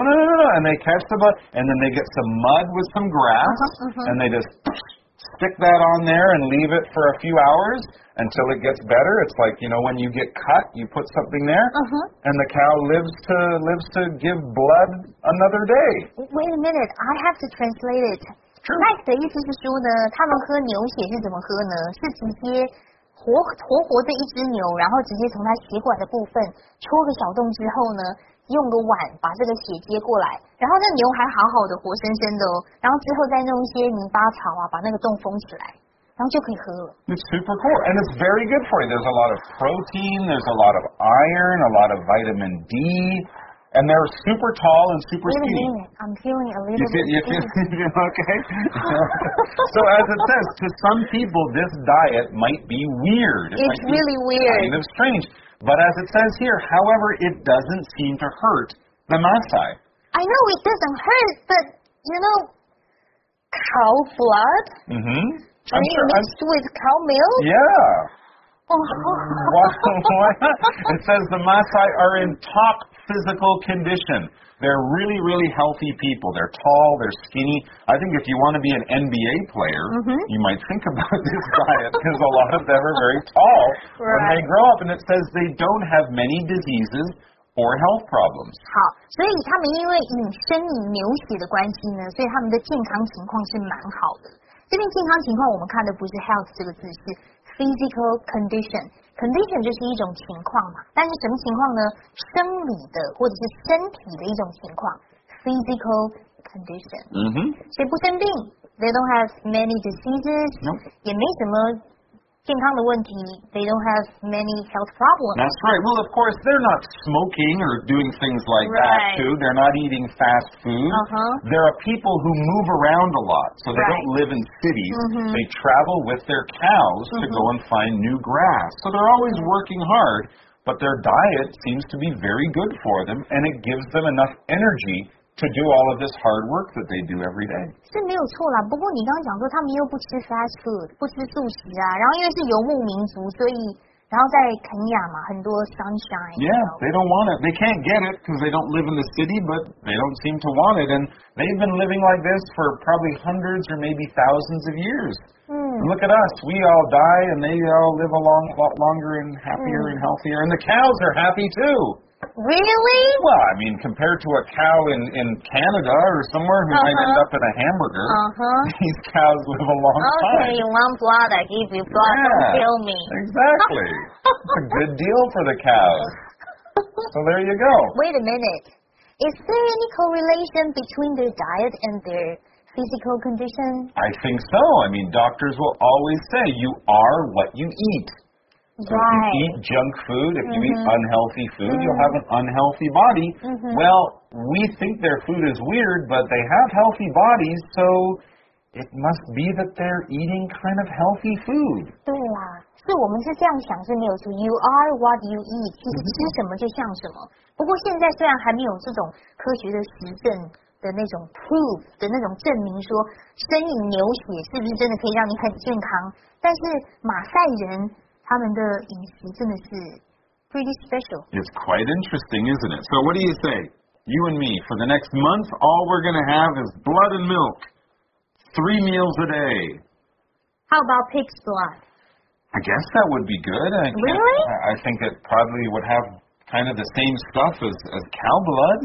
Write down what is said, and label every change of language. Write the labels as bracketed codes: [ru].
[en] And they catch the blood, and then they get some mud with some grass, and they just stick that on there and leave it for a few hours until it gets better. It's like, you know, when you get cut, you put something there, and the cow lives to give blood another day. Wait a minute, I have to translate it. Sure. [zh] Mike 的意思是说呢，他们喝牛血是怎么喝呢？是直接活活的一只牛，然后直接从它血管的部分戳个小洞之后呢，用个碗把这个血接过来，然后那牛还好好的，活生生的哦。然后之后再弄一些泥巴草啊，把那个洞封起来，然后就可以喝了。 [en] It's super cool, and it's very good for you. There's a lot of protein, there's a lot of iron, a lot of vitamin D. And they're super tall and super skinny. Wait a minute. I'm feeling a little bit. You feel, okay. So as it says, to some people, this diet might be weird. It's really weird. Kind of strange. But as it says here, however, it doesn't seem to hurt the Maasai. I know it doesn't hurt, but, you know, cow blood? Mm-hmm. Are you mixed with cow milk? Yeah. Why? It says the Maasai are in top physical condition. They're really, really healthy people. They're tall, they're skinny. I think if you want to be an NBA player, mm-hmm. you might think about this diet, because a lot of them are very tall right. when they grow up. And it says they don't have many diseases or health problems. [zh] 好，所以他们因为饮生饮牛血的关系呢，所以他们的健康情况是蛮好的。这边健康情况我们看的不是 health 这个字，是 physical condition。 Condition 就是一种情况嘛，但是什么情况呢？生理的或者是身体的一种情况 ，physical condition。嗯哼。所以不生病 [en] ，they don't have many diseases，、 nope. [zh] 也没什么健康的问题 [en] ，they don't have many health problems. That's right. Well, of course, they're not smoking or doing things like、 right. that too. They're not eating fast food. Uh-huh. There are people who move around a lot, so they、 right. don't live in cities.、 Mm-hmm. They travel with their cows、 mm-hmm. to go and find new grass. So they're always、mm-hmm. working hard, but their diet seems to be very good for them, and it gives them enough energy. To do all of this hard work that they do every day. [zh] 是没有错啦，不过你刚刚讲说他们又不吃 fast food, 不吃素食啊，然后因为是游牧民族，所以然后在肯亚嘛，很多 sunshine. [en] Yeah, you know? They don't want it. They can't get it because they don't live in the city, but they don't seem to want it. And they've been living like this for probably hundreds or maybe thousands of years.、 Mm. Look at us. We all die and they all live a long, lot longer and happier、mm. and healthier. And the cows are happy too. Really? Well, I mean, compared to a cow in Canada or somewhere who、 uh-huh. might end up in a hamburger,、 uh-huh. these cows live a long okay, Okay, you want blood, I give you blood, yeah, don't kill me. Exactly. It's a good deal for the cows. So there you go. Wait a minute. Is there any correlation between their diet and their physical condition? I think so. I mean, doctors will always say you are what you eat. So、 right. if you eat junk food, if、 mm-hmm. you eat unhealthy food,、 mm-hmm. you'll have an unhealthy body.、 Mm-hmm. Well, we think their food is weird, but they have healthy bodies, so it must be that they're eating kind of healthy food. [zh] 对啦，是我们是这样想是没有错。 You are what you eat, 其实吃什么就像什么。不过现在虽然还没有这种科学的实证的那种 proof 的那种证明说生饮牛血是不是真的可以让你很健康，但是马赛人他们的饮食真的是 [en] pretty special. It's quite interesting, isn't it? So what do you say? You and me, for the next month, all we're going to have is blood and milk. 3 meals a day. How about pig's blood? I guess that would be good. Really? I think it probably would have kind of the same stuff as cow blood.